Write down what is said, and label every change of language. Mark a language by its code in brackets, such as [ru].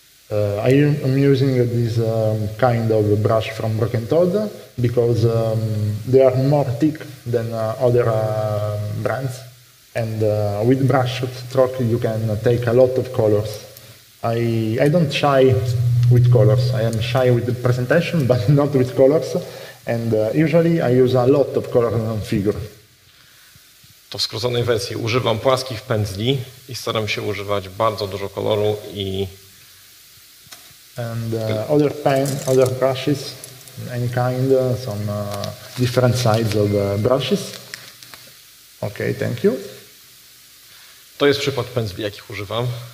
[en] I'm using this kind of brush from Broken Toad because they are more thick than other brands. And with brush stroke you can take a lot of colors. I don't shy with colors. I am shy with the presentation, but not with colors. And usually I use a lot of color on figure. [pl] To w skróconej wersji. Używam płaskich pędzli i staram się używać bardzo dużo koloru i... [en] And other pen, other brushes, any kind, some different sides of brushes. Okay, thank you. [pl] To jest przykład pędzli, jakich używam.